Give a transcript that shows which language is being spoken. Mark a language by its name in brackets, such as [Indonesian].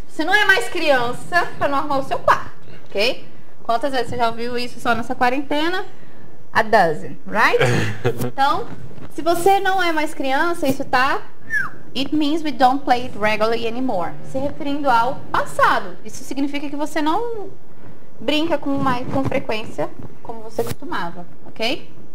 [Portuguese] Você não é mais criança pra não arrumar o seu quarto, ok? Quantas vezes você já ouviu isso só nessa quarentena? [English] A dozen, right? [Portuguese] Então, se você não é mais criança, isso tá... [English] It means we don't play it regularly anymore. [Portuguese] Se referindo ao passado. Isso significa que você não brinca com mais com frequência como você costumava, ok?